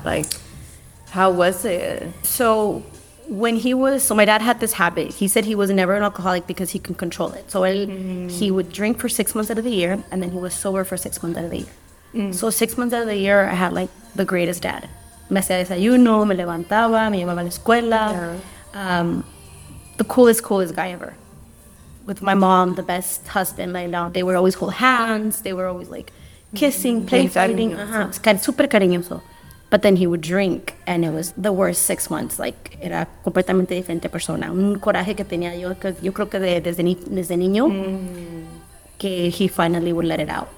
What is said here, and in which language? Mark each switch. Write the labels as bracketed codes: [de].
[en] Like, how was it? So when he was, so my dad had this habit. He said he was never an alcoholic because he can control it. So he would drink for 6 months out of the year, and then he was sober for 6 months out of the year. So 6 months out of the year, I had like the greatest dad. [es] Me hacía desayuno, me levantaba, me llamaba a la escuela. [en] The coolest guy ever. With my mom, the best husband, my mom. They would always hold hands. They were always like kissing, playfighting. [es] Super cariñoso. [en] But then he would drink, and it was the worst 6 months. Like, [es] era completamente diferente persona. Un coraje que tenía yo, yo creo que desde niño, que [en] he finally would let it out.